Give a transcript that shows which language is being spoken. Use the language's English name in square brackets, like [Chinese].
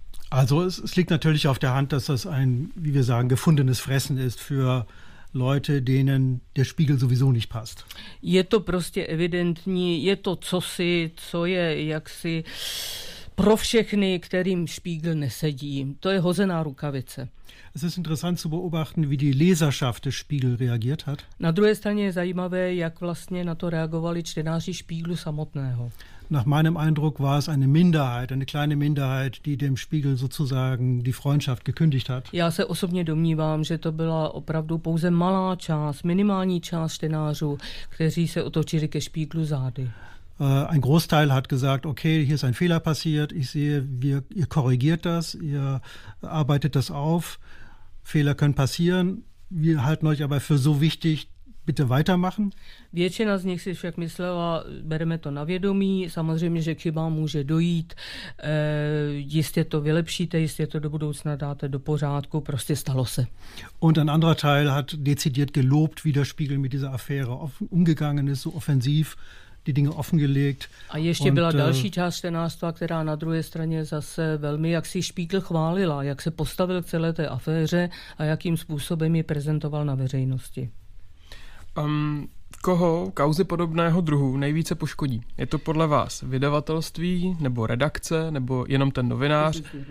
[German] Also es liegt natürlich auf der Hand, dass das ein, wie wir sagen, gefundenes Fressen ist für Leute, denen der Spiegel sowieso nicht passt. [Czech] Je to prostě evidentní, je to cosi, co je jaksi pro všechny, kterým Spiegel nesedí. To je hozená rukavice. [German] Es ist interessant zu beobachten, wie die Leserschaft des Spiegel reagiert hat. [Czech] Na druhé straně je zajímavé, jak vlastně na to reagovali čtenáři Spiegelu samotného. [German] Nach meinem Eindruck war es eine Minderheit, eine kleine Minderheit, die dem Spiegel sozusagen die Freundschaft gekündigt hat. [Czech] Já se osobně domnívám, že to byla opravdu pouze malá část, minimální část čtenářů, kteří se otočili ke Spiegelu zády. [German] Ein Großteil hat gesagt, okay, hier ist ein Fehler passiert, ich sehe, ihr korrigiert das, ihr arbeitet das auf, Fehler können passieren, wir halten euch aber für so wichtig, bitte weitermachen. [Czech] Většina z nich si však myslela, bereme to na vědomí, samozřejmě, že chyba může dojít, jistě to vylepšíte, jistě to do budoucna dáte do pořádku, prostě stalo se. [German] Und ein anderer Teil hat dezidiert gelobt, wie der Spiegel mit dieser Affäre umgegangen ist, so offensiv, die Dinge offengelegt. [Czech] A ještě byla další část čtenářstva, která na druhé straně zase velmi jaksi Spiegel chválila, jak se postavil k celé té aféře a jakým způsobem ji prezentoval na veřejnosti. Koho kauzy podobného druhu nejvíce poškodí? Je to podle vás vydavatelství, nebo redakce, nebo jenom ten novinář?